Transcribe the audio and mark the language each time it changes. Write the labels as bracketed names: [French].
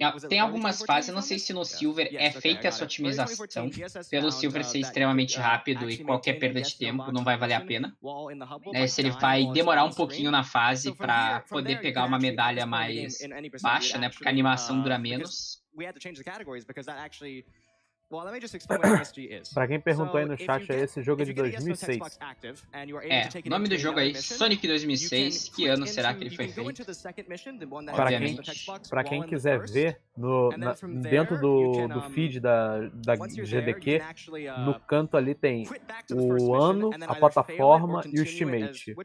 [Portuguese] tem algumas fases, não sei se no Silver é feita essa otimização. Pelo Silver ser extremamente rápido e qualquer perda de tempo não vai valer a pena. Né, se ele vai demorar um pouquinho na fase pra poder pegar uma medalha mais baixa, né? Porque a animação dura menos. [English] We had to change the categories because that actually... well, let me just explain what MSG is. [Portuguese] Pra quem perguntou aí no chat, é esse jogo de 2006. É, o nome do jogo aí, Sonic 2006, que ano será que ele foi feito? Obviamente. Pra quem quiser ver, dentro do feed da GDQ, no canto ali tem o ano, a plataforma e o estimate.